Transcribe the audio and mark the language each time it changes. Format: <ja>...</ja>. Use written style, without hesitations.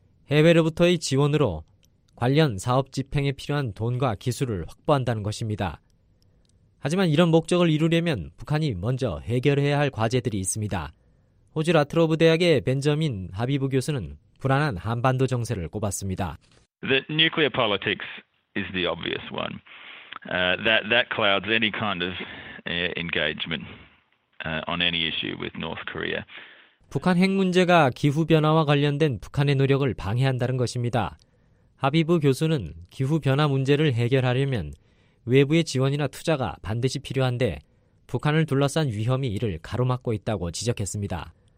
<ko>해외로부터의 지원으로 관련 사업 집행에 필요한 돈과 기술을 확보한다는 것입니다. 하지만 이런 목적을 이루려면 북한이 먼저 해결해야 할 과제들이 있습니다. 호주 라트로브 대학의 벤저민 하비브 교수는 불안한 한반도 정세를 꼽았습니다.</ko> <en>The nuclear politics is the obvious one. That clouds any kind of engagement on any issue with North Korea.</en> <ko>북한 핵 문제가 기후 변화와 관련된 북한의 노력을 방해한다는 것입니다. 하비브 교수는 기후 변화 문제를 해결하려면 외부의 지원이나 투자가 반드시 필요한데 북한을 둘러싼 위험이 이를 가로막고 있다고 지적했습니다.</ko>